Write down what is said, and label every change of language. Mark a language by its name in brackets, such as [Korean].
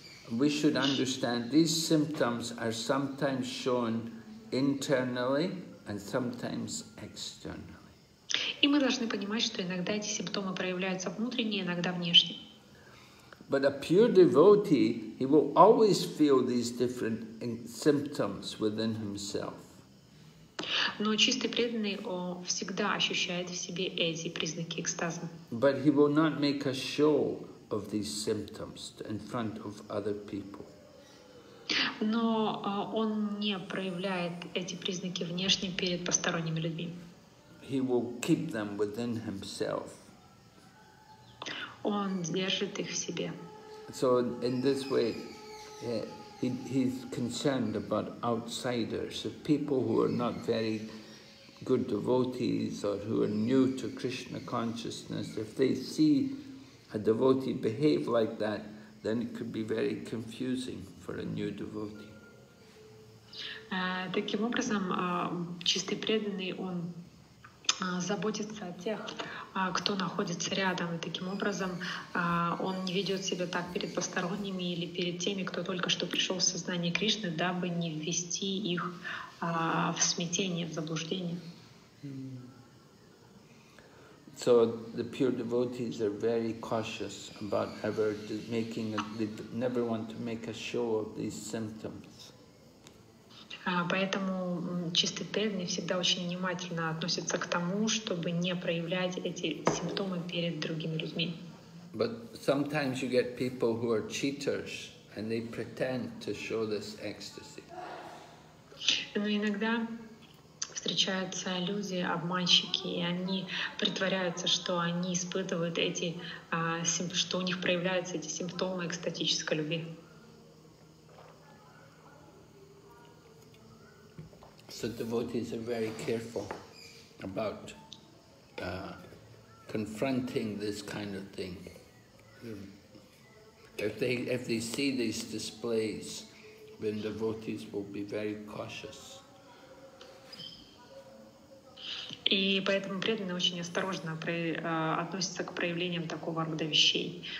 [English] We should understand these symptoms are sometimes shown internally and sometimes externally. [Russian] И мы должны понимать, что иногда эти симптомы проявляются внутренне, иногда внешне. [English] But a pure devotee, he will always feel these different symptoms within himself. [Russian] Но чистый преданный всегда ощущает в себе эти признаки экстаза. [English] But he will not make a show of these symptoms in front of other people. [Russian] Но он не проявляет эти признаки внешне перед посторонними людьми. [English] He will keep them within himself. [Russian] Он держит их в себе. [English] So in this way, he's concerned about outsiders, of people who are not very good devotees or who are new to Krishna consciousness. If they see a devotee behave like that, then it could be very confusing for a new devotee. [Russian] Таким образом, чистый преданный, он заботится о тех, кто находится рядом, и таким образом он не ведет себя так перед посторонними или перед теми, кто только что пришел в сознание Кришны, дабы не ввести их в смятение, в заблуждение. [English] So the pure devotees are very cautious about ever making they never want to make a show of these symptoms. [Russian] Поэтому чистый преданный всегда очень внимательно относится к тому, чтобы не проявлять эти симптомы перед другими людьми. [English] But sometimes you get people who are cheaters and they pretend to show this ecstasy. [Russian] Но иногда встречаются люди, обманщики, и они притворяются, что они испытывают эти что у них проявляются эти симптомы экстатической любви. [English] So devotees are very careful about confronting this kind of thing. If they see these displays, then devotees will be very cautious. [Russian] И поэтому преданные очень осторожно относятся к проявлениям такого рода вещей.